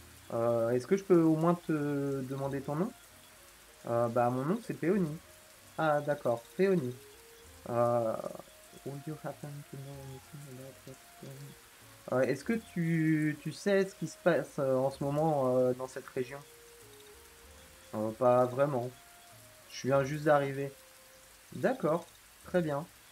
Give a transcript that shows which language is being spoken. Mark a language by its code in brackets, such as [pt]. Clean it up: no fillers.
[fr] Est-ce que je peux au moins te demander ton nom? Mon nom c'est Peony. Ah d'accord, Peony. [en] Would you happen to know anything about that thing? [fr] Est-ce que tu sais ce qui se passe en ce moment dans cette région? Pas vraiment. Je viens juste d'arriver. D'accord. Très bien.